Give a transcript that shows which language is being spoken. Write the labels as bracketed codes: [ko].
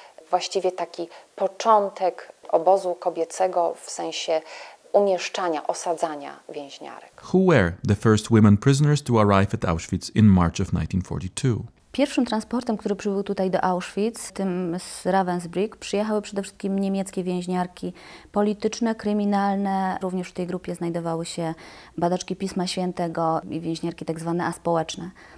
[pl] Właściwie taki początek obozu kobiecego w sensie umieszczania, osadzania więźniarek. [en] Who were the first women prisoners to arrive at Auschwitz in March of 1942? [pl] Pierwszym transportem, który przybył tutaj do Auschwitz, tym z Ravensbrück, przyjechały przede wszystkim niemieckie więźniarki polityczne, kryminalne. Również w tej grupie znajdowały się badaczki Pisma Świętego i więźniarki tak zwane aspołeczne.